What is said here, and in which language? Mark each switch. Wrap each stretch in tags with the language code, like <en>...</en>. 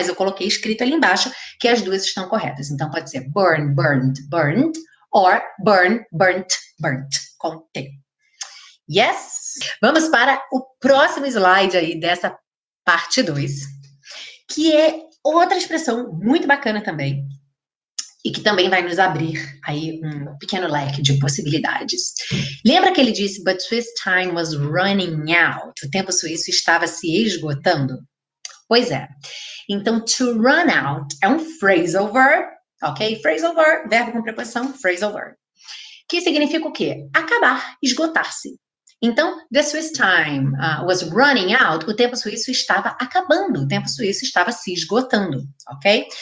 <pt>Mas eu coloquei escrito ali embaixo que as duas estão corretas. Então pode ser</pt> <en>burn, burnt, burnt, or burn, burnt, burnt,</en> <pt>com T. Yes? Vamos para o próximo slide aí dessa parte 2, que é outra expressão muito bacana também. E que também vai nos abrir aí um pequeno leque de possibilidades. Lembra que ele disse,</pt> <en>but Swiss time was running out?</en> <pt>O tempo suíço estava se esgotando? Pois é. Então, to run out é um phrasal verb, ok? Phrasal verb, verbo com preposição, phrasal verb. Que significa o quê? Acabar, esgotar-se. Então,</pt> <en>the Swiss time was running out,</en> <pt>o tempo suíço estava acabando, o tempo suíço estava se esgotando, ok?</pt>